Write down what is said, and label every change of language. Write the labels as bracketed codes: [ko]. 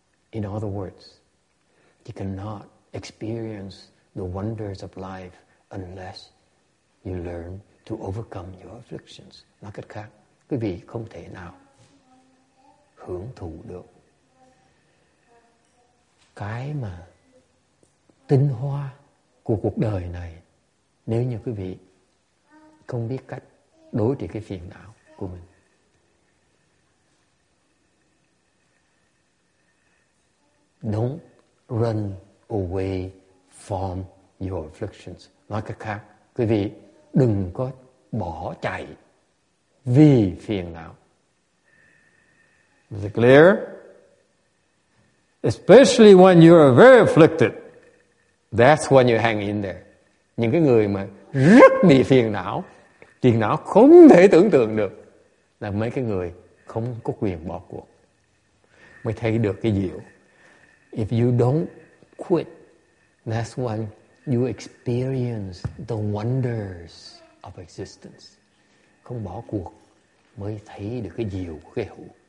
[en] In other words, you cannot experience the wonders of life unless you learn to overcome your afflictions. [vi] Nói cách khác, quý vị không thể nào hưởng thụ được cái mà tinh hoa của cuộc đời này nếu như quý vị không biết cách đối trị cái phiền não của mình. [en] Don't run away from your afflictions. [vi] Nói cách khác, quý vị đừng có bỏ chạy vì phiền não. [en] Is it clear? Especially when you are very afflicted, that's when you hang in there. [vi] Những cái người mà rất bị phiền não không thể tưởng tượng được, là mấy cái người không có quyền bỏ cuộc, mới thấy được cái diệu. [en] If you don't quit, that's when you experience the wonders of existence. [vi] Không bỏ cuộc mới thấy được cái diệu của cái hữu.